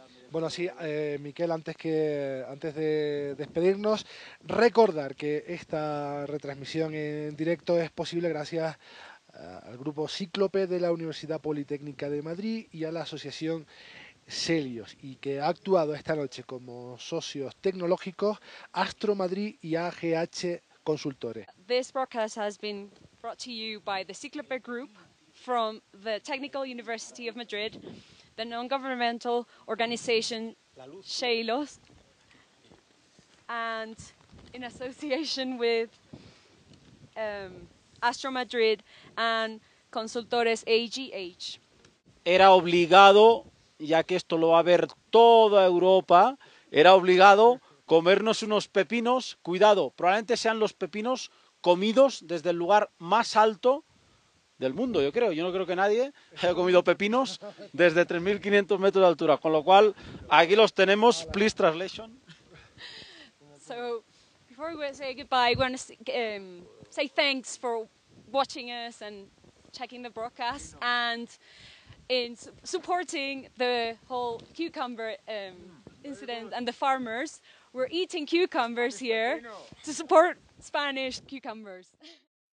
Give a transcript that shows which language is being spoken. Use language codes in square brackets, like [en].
[es] Bueno, sí, Miquel, antes de despedirnos, recordar que esta retransmisión en directo es posible gracias al grupo Cíclope de la Universidad Politécnica de Madrid y a la asociación Celios, y que ha actuado esta noche como socios tecnológicos Astro Madrid y AGH Consultores. [en] This broadcast has been brought to you by the Cíclope Group from the Technical University of Madrid, the non-governmental organization Celios, and in association with Astro Madrid and Consultores AGH. [es] Era obligado, ya que esto lo va a ver toda Europa, era obligado comernos unos pepinos. Cuidado, probablemente sean los pepinos comidos desde el lugar más alto del mundo, yo creo. Yo no creo que nadie haya comido pepinos desde 3.500 metros de altura. Con lo cual, aquí los tenemos. [en] Please translation. So, before we say goodbye, we want to say thanks for watching us and checking the broadcast and in supporting the whole cucumber incident and the farmers. We're eating cucumbers here to support Spanish cucumbers.